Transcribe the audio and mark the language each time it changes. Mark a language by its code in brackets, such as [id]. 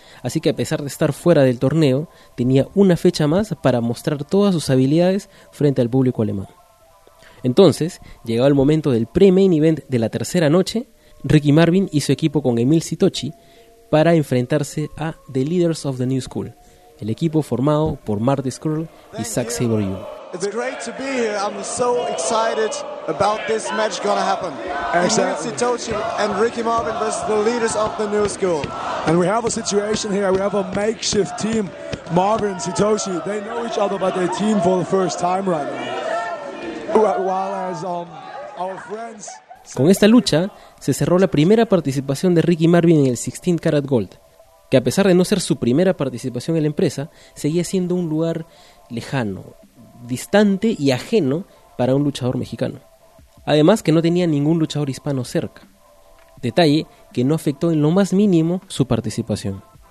[es] Así que a pesar de estar fuera del torneo, tenía una fecha más para mostrar todas sus habilidades frente al público alemán. Entonces, llegado el momento del pre-main event de la tercera noche, Ricky Marvin hizo equipo con Emil Sitochi para enfrentarse a The Leaders of the New School, el equipo formado por Marty Scurll y Zack Sabre Jr. [en] It's great to be here. I'm so excited about this match gonna happen. Emil Sitochi and Ricky Marvin versus the Leaders of the New School. And we have a situation here. We have a makeshift team. Marvin, Sitochi, they know each other, but they team for the first time right now. While as our friends. [es] Con esta lucha se cerró la primera participación de Ricky Marvin en el 16 Karat Gold, que a pesar de no ser su primera participación en la empresa, seguía siendo un lugar lejano, distante y ajeno para un luchador mexicano. Además que no tenía ningún luchador hispano cerca. Detalle que no afectó en lo más mínimo su participación.